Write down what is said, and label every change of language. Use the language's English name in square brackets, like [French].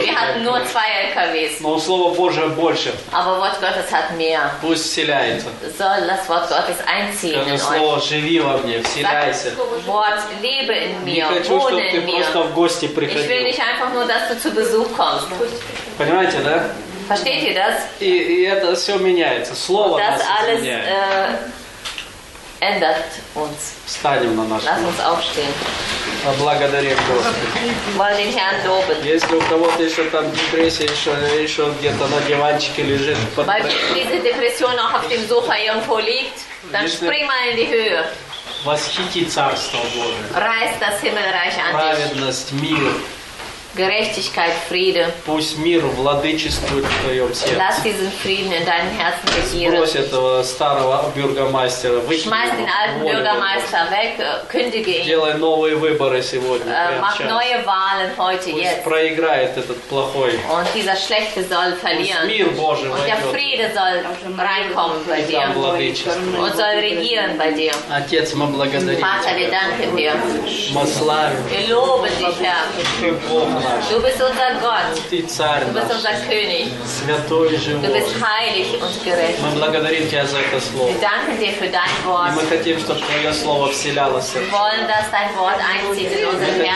[German] Wir hatten nur zwei LKWs. [Russian] Но слово Божие больше. [German] Aber Wort Gottes hat mehr. [Russian] Пусть вселяется. [German] Soll das Wort Gottes einziehen in euch. [Russian] Слово живи во мне, вселяйся. [German] Wort lebe in mir, wohne in mir. [Russian] Не хочу, чтобы ты просто в гости приходил. [German] Ich will nicht einfach nur, dass du zu Besuch kommst. [Russian] Понимаете, да? [German] Versteht ihr das? [Russian] И это все меняется. Слово [German] das alles ändert uns. [Russian] Встанем на наш. [German] Lass uns aufstehen. [Russian] Благодарим Господа. [German] Wollen den Herrn loben. [Russian] Если у кого-то еще там депрессия, еще где-то на диванчике лежит. [German] Weil diese Depression auch auf dem Sofa irgendwo liegt, dann spring mal in die Höhe. [Russian] Восхити Царство Божие. [German] Reiß das Himmelreich an dich. [Russian] Праведность, мир. [German] Gerechtigkeit, Friede. [Russian] Пусть мир владычествует в твоем сердце. [German] Lass diesen Frieden in deinem Herzen regieren. [Russian] Сбрось этого старого бюргомайстера. [German] Schmeiß den alten Bürgermeister weg, kündige ihn. [Russian] Делай новые выборы сегодня. [German] Mach neue Wahlen heute, [Russian] пусть [German] jetzt. [Russian] Пусть проиграет этот плохой. [German] Und dieser Schlechte soll verlieren. [Russian] Пусть мир Божий войдет. [German] Und der Friede soll reinkommen bei dir. [Russian] И там владычество. [German] Und soll regieren bei dir. [Russian] Отец, мы благодарим [German] Vater, Vater, wir danken dir. [Russian] Мы славим. [German] Wir loben dich, Herr. [Russian] Ты Бог. наш. [German] Du bist unser Gott. [Russian] Ты царь наш. [German] Du bist unser König. [Russian] Святой живой. [German] Du bist heilig und gerecht. [Russian] Мы благодарим тебя за это слово. [German] Wir danken dir für dein Wort. [Russian] И мы хотим, чтобы твое слово вселяло в сердце. [German] Wir wollen, dass dein Wort einzieht in unser Herz.